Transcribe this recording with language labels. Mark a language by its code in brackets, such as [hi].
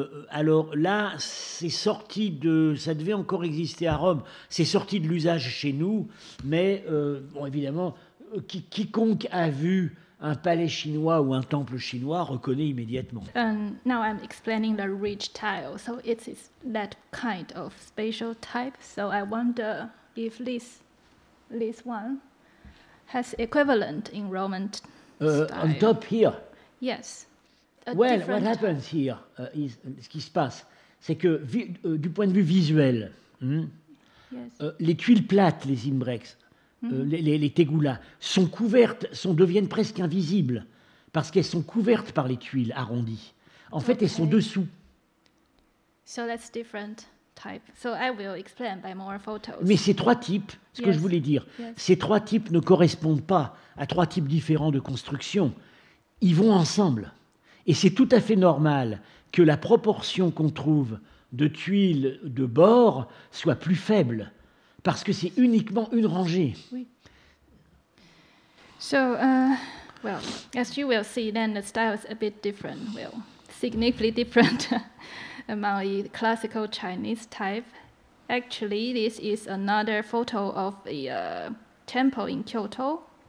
[fr] Alors là, c'est sorti de... Ça devait encore exister à Rome. C'est sorti de l'usage chez nous, mais bon, évidemment, quiconque a vu un palais chinois ou un temple chinois reconnaît immédiatement. [en] Now I'm explaining the ridge tile. So it is that kind of spatial type. So I wonder if this one has equivalent in Roman style. On top here. Yes. Well, what happens here is [fr] ce qui se passe, c'est que du point de vue visuel, les tuiles plates, les imbrex, les tegulas sont couvertes, deviennent presque invisibles parce qu'elles sont couvertes par les tuiles arrondies. En fait, elles sont dessous. [en] So that's different type. So I will explain by more photos. [fr] Mais ces trois types, ce que je voulais dire, ces trois types ne correspondent pas à trois types différents de construction. Ils vont ensemble. Et c'est tout à fait normal que la proportion qu'on trouve de tuiles de bord soit plus faible. Parce que c'est uniquement une rangée. Oui. [en] So, as you will see, then the style is a bit different, well, significantly different among the classical Chinese type. Actually, this is another photo of the temple in Kyoto.